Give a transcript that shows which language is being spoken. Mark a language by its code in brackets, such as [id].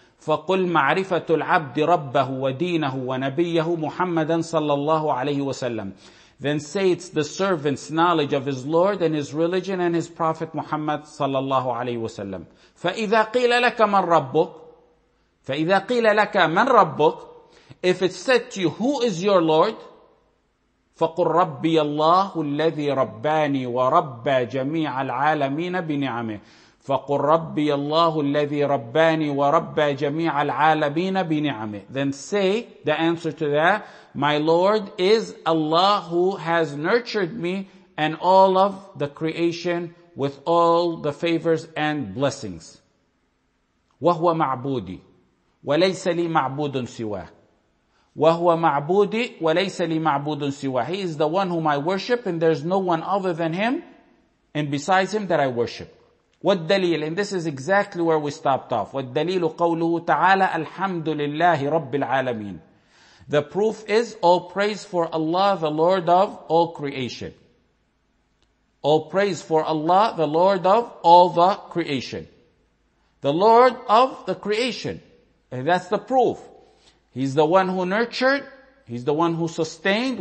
[ar] فقل معرفة العبد ربه ودينه ونبيه محمدا صلى الله عليه وسلم. [en] Then say it's the servant's knowledge of his Lord and his religion and his prophet Muhammad صلى الله عليه وسلم. [ar] فإذا قيل لك من ربك، فإذا قيل لك من ربك، [en] if it's said to you who is your Lord، [ar] فقل ربي الله الذي رباني وربى جميع العالمين بنعمه. فقل ربي الله الذي رباني وربى جميع العالمين بنعمه. [en] Then say the answer to that, my Lord is Allah who has nurtured me and all of the creation with all the favors and blessings. [ar] وهو معبودي وليس لي معبود سواه. وهو معبودي وليس لي معبود سواه. [en] He is the one whom I worship and there's no one other than him and besides him that I worship. والدليل, and this is exactly where we stopped off. [ar] والدليل قوله تعالى الحمد لله رب العالمين. [en] The proof is all praise for Allah, the Lord of all creation. All praise for Allah, the Lord of all the creation. The Lord of the creation. And that's the proof. He's the one who nurtured. He's the one who sustained.